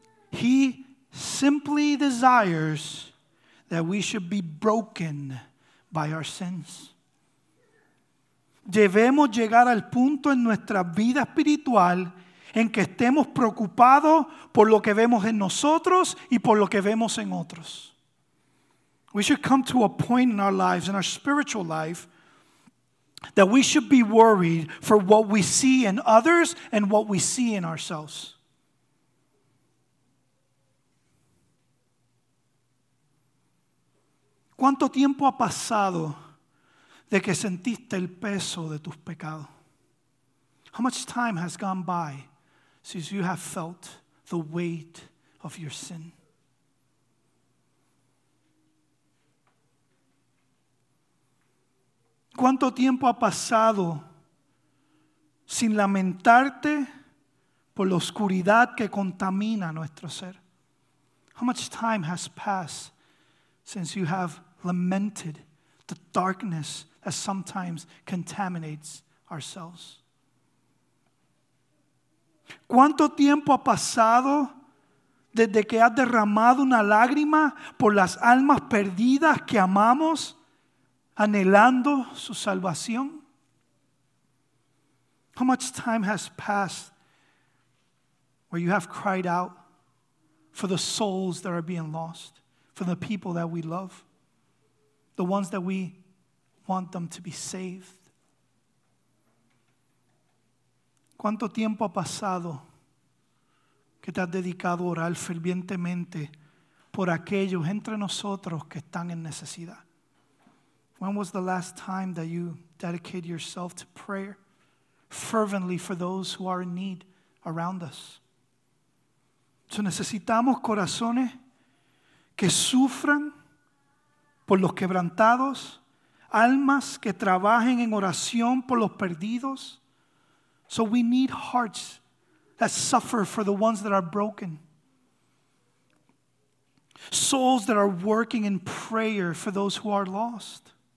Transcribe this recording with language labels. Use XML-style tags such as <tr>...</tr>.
<en>He simply desires that we should be broken by our sins.</en> <es>Debemos llegar al punto en nuestra vida espiritual en que estemos preocupados por lo que vemos en nosotros y por lo que vemos en otros.</es> <en>We should come to a point in our lives, in our spiritual life, that we should be worried for what we see in others and what we see in ourselves.</en> <es>¿Cuánto tiempo ha pasado de que sentiste el peso de tus pecados?</es> <en>How much time has gone by since you have felt the weight of your sin?</en> <es>¿Cuánto tiempo ha pasado sin lamentarte por la oscuridad que contamina nuestro ser?</es> <en>How much time has passed since you have lamented the darkness that sometimes contaminates ourselves?</en> <es>¿Cuánto tiempo ha pasado desde que has derramado una lágrima por las almas perdidas que amamos, anhelando su salvación?</es> <en>How much time has passed where you have cried out for the souls that are being lost, for the people that we love, the ones that we want them to be saved?</en> <es>¿Cuánto tiempo ha pasado que te has dedicado a orar fervientemente por aquellos entre nosotros que están en necesidad?</es> <en>When was the last time that you dedicated yourself to prayer fervently for those who are in need around us?</en> <es>So necesitamos corazones que sufran por los quebrantados, almas que trabajen en oración por los perdidos.</es> <en>So we need hearts that suffer for the ones that are broken. Souls that are working in prayer for those who are lost.</en>